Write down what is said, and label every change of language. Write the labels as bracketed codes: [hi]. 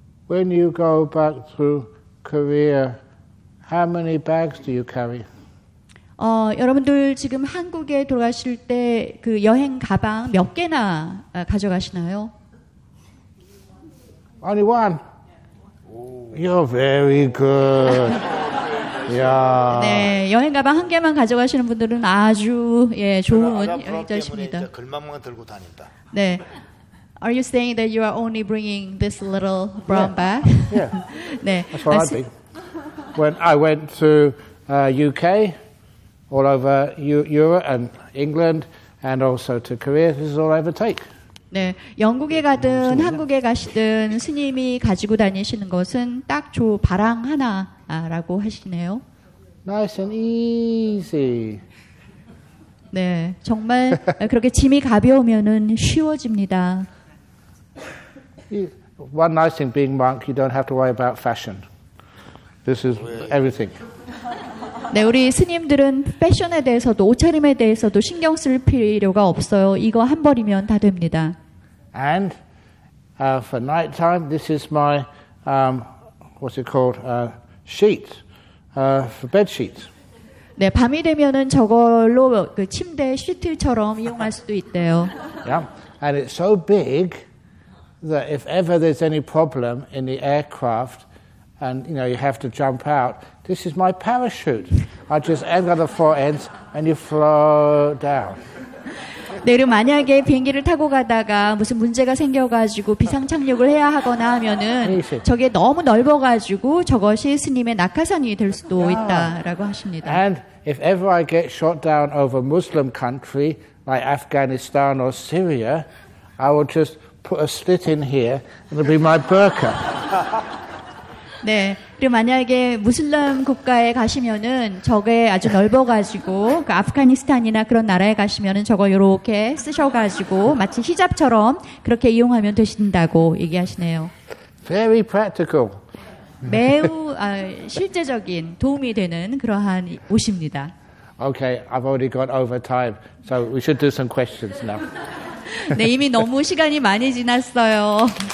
[en] When you go back to Korea, how many bags do you carry? [ko] 여러분들 지금 한국에 돌아가실 때 그 여행 가방 몇 개나 가져가시나요? [en] Only one. You're very good. Yeah. [ko] 네, 여행 가방 한 개만 가져가시는 분들은 아주 예, 좋은 여행자십니다. 글만만 들고 다닌다. 네. [en] Are you saying that you are only bringing this little brown bag? Yeah. yeah. 네. That's what I think. When I went to UK, all over Europe and England and also to Korea. This is all I ever take. [ko] 네, 영국에 가든 한국에 가시든 스님이 가지고 다니시는 것은 딱 조 바랑 하나라고 하시네요. [en] Nice and easy. [ko] 네, 정말 그렇게 짐이 가벼우면은 쉬워집니다. [en] One nice thing being monk, you don't have to worry about fashion. This is everything. [ko] 네, 우리 스님들은 패션에 대해서도 옷차림에 대해서도 신경 쓸 필요가 없어요. 이거 한 벌이면 다 됩니다. [en] And for night time, this is my what's it called? Sheet for bed sheets. [ko] 네, 밤이 되면은 저걸로 그 침대 시트처럼 이용할 수도 있대요. [en] Yeah, and it's so big that if ever there's any problem in the aircraft, and you know you have to jump out. This is my parachute. I just end at the four ends, and you float down. [ko] 네, 그리고 만약에 비행기를 타고 가다가 무슨 문제가 생겨가지고 비상 착륙을 해야 하거나 하면은 저게 너무 넓어가지고 저것이 스님의 낙하산이 될 수도 있다라고 하십니다. [en] And if ever I get shot down over Muslim country like Afghanistan or Syria, I will just put a slit in here, and it'll be my burqa. [ko] 네. 그리고 만약에 무슬림 국가에 가시면은 저게 아주 넓어가지고 그 아프가니스탄이나 그런 나라에 가시면은 저거 이렇게 쓰셔가지고 마치 히잡처럼 그렇게 이용하면 되신다고 얘기하시네요. [en] Very practical. [ko] 매우 실제적인 도움이 되는 그러한 옷입니다. [en] Okay, I've already got over time, so we should do some questions now. [ko] 네, 이미 너무 시간이 많이 지났어요.